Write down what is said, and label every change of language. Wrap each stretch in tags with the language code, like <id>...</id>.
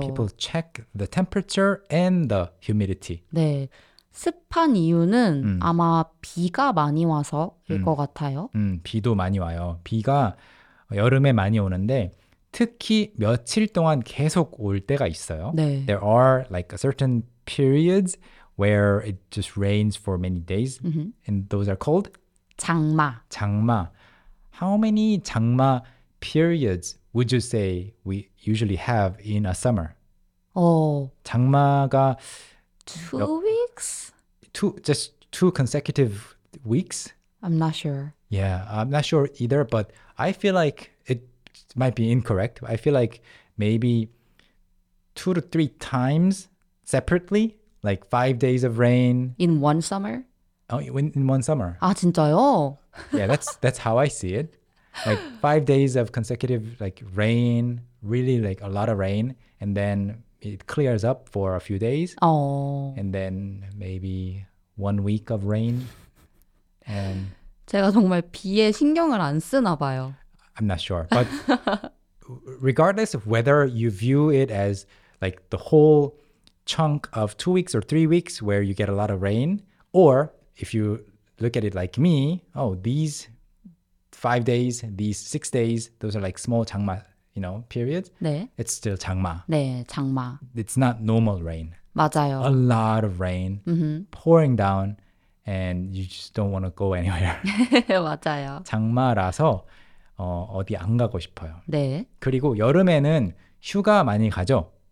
<en>People check the temperature and the humidity.</en> <ko>네. 습한 이유는 아마 비가 많이 와서일 것 같아요. 비도 많이 와요. 비가 여름에 많이 오는데 특히 며칠 동안 계속 올 때가 있어요. 네.</ko> <en>There are like a certain periods where it just rains for many days. And those are called?</en> <ko>장마. 장마.</ko> <en>How many 장마 periods would you say we usually have in a summer? 어.</en> <ko>장마가</ko> <en>2 weeks? Just two consecutive weeks? I'm not sure. Yeah, I'm not sure either, but I feel like it might be incorrect. I feel like maybe 2 to 3 times separately, like 5 days of rain. In one summer? Oh, in one summer.</en> <ko>아, 진짜요?</ko> <en>Yeah, that's how I see it. Like 5 days of consecutive like rain, really like a lot of rain, and then it clears up for a few days. Oh. And then maybe 1 week of rain. And</en> <ko>제가 정말 비에 신경을 안 쓰나 봐요.</ko> <en>I'm not sure. But regardless of whether you view it as like the whole chunk of 2 weeks or 3 weeks where you get a lot of rain, or if you look at it like me, oh, these 5 days, these 6 days, those are like small 장마. You know, period.</en> <ko>네.</ko> <en>It's still 장마.</en> <ko>네, 장마.</ko> <en>It's not normal rain.</en> <ko>맞아요.</ko> <en>A lot of rain pouring down, and you just don't want to go anywhere.</en> <ko>맞아요. 장마라서 어, 어디 안 가고 싶어요. 네. 그리고 여름에는 휴가 많이 가죠?</ko>